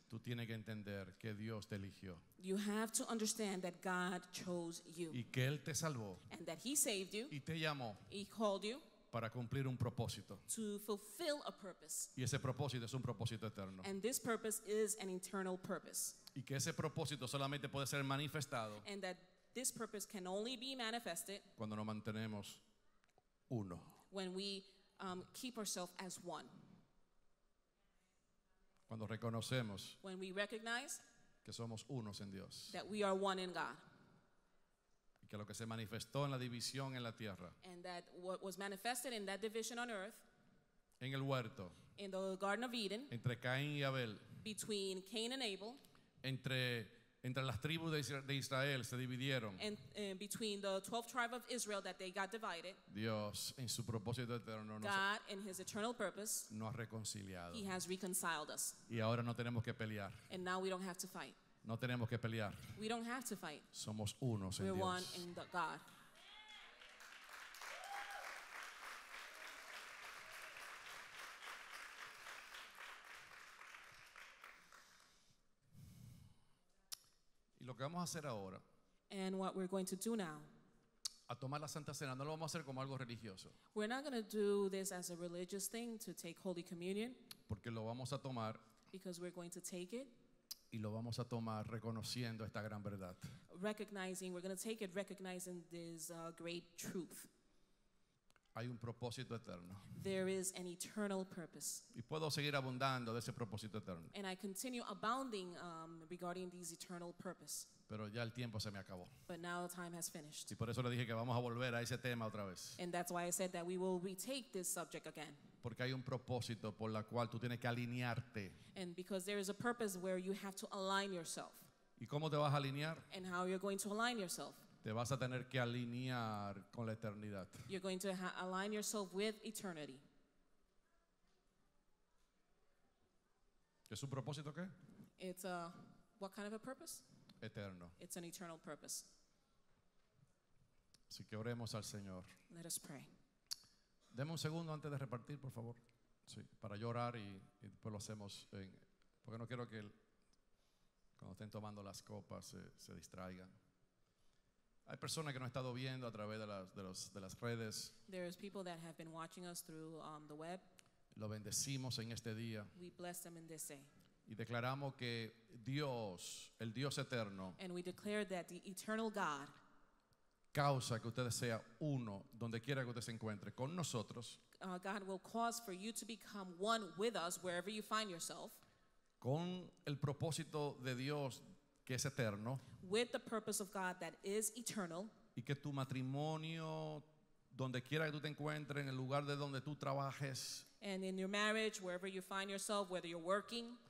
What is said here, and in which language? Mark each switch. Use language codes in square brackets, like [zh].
[es] Tú tienes que entender que Dios te eligió. [en] You have to understand that God chose you. [es] Y que Él te salvó. [en] And that he saved you. [es] Y te llamó. [en] He called you. [es] para cumplir un propósito. [en] To fulfill a purpose. [es] Y ese propósito es un propósito eterno. [en] And this purpose is an eternal purpose. [es] Y que ese propósito solamente puede ser manifestado. [en] And that this purpose can only be manifested. [es] Cuando nos mantenemos uno. [en] When we keep ourselves as one. [es] Cuando reconocemos. [en] When we recognize. [es] Que somos unos en Dios. [en] That we are one in God. [es] Que lo que se manifestó en la división en la tierra. [en] And that what was manifested in that division on earth. [es] En el huerto. [en] In the Garden of Eden. [es] Entre Caín y Abel. [en] Between Cain and Abel. [es] Entre las tribus de Israel se dividieron. [en] And between the 12 tribes of Israel that they got divided. [es] Dios en su propósito eterno. [en] God in his eternal purpose. [es] Nos ha reconciliado. [en] He has reconciled us. [es] Y ahora no tenemos que pelear. [en] And now we don't have to fight. [es] No tenemos que pelear. [en] We don't have to fight. [es] Somos unos en Dios. [en] We're one in God. [es] Y lo que vamos a hacer ahora. [en] And what we're going to do now. [es] A tomar la Santa Cena. No lo vamos a hacer como algo religioso. [en] We're not going to do this as a religious thing to take Holy Communion. [es] Porque lo vamos a tomar. [en] Because we're going to take it. [es] Y lo vamos a tomar reconociendo esta gran verdad. [en] Recognizing, we're going to take it recognizing this great truth. [es] Hay un propósito eterno. [en] There is an eternal purpose. [es] Y puedo seguir abundando de ese propósito eterno. [en] And I continue abounding regarding this eternal purpose. [es] Pero ya el tiempo se me acabó. [en] But now the time has finished. [es] Y por eso le dije que vamos a volver a ese tema otra vez. [en] And that's why I said that we will retake this subject again. [es] Porque hay un propósito por la cual tú tienes que alinearte. [en] And because there is a purpose where you have to align yourself. [es] ¿Y cómo te vas a alinear? [en] And how you're going to align yourself. [es] Te vas a tener que alinear con la eternidad. [en] You're going to align yourself with eternity. [es] ¿Es un propósito qué? [en] It's a, what kind of a purpose? [es] Eterno. [en] It's an eternal purpose. [es] Así que oremos al Señor. [en] Let us pray. [es] Deme un segundo antes de repartir, por favor. Sí, para llorar y después lo hacemos. Porque no quiero que cuando estén tomando las copas se distraigan. Hay personas que nos han estado viendo a través de las redes. [en] There is people that have been watching us through the web. [es] Lo bendecimos en este día. [en] We bless them in this day. [es] Y declaramos que Dios, el Dios eterno. [en] And we declare that the eternal God. [es] Causa que ustedes sean uno donde quiera que usted se encuentre con nosotros. [en] God will cause for you to become one with us wherever you find yourself. [es] Con el propósito de Dios que es eterno. [en] With the purpose of God that is eternal. [es] Y que tu matrimonio, donde quiera que tú te encuentres, en el lugar de donde tú trabajes. [en] And in your marriage, wherever you find yourself, whether you're working.